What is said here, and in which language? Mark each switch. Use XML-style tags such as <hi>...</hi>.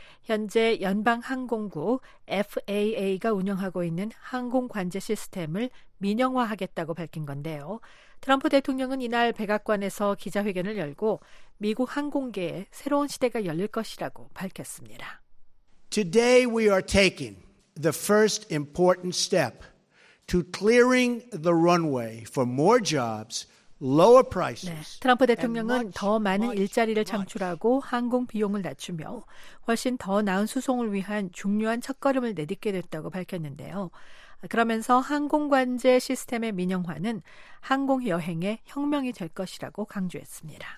<ko>현재 연방항공국 FAA가 운영하고 있는 항공 관제 시스템을 민영화하겠다고 밝힌 건데요. 트럼프 대통령은 이날 백악관에서 기자회견을 열고 미국 항공계에 새로운 시대가 열릴 것이라고 밝혔습니다.</ko> <en>Today we are taking the first important step to clearing the runway for more jobs, lower prices.</en> <ko>네, 트럼프 대통령은 더 많은 일자리를 창출하고 항공 비용을 낮추며 훨씬 더 나은 수송을 위한 중요한 첫걸음을 내딛게 됐다고 밝혔는데요. 그러면서 항공 관제 시스템의 민영화는 항공 여행의 혁명이 될 것이라고 강조했습니다.</ko>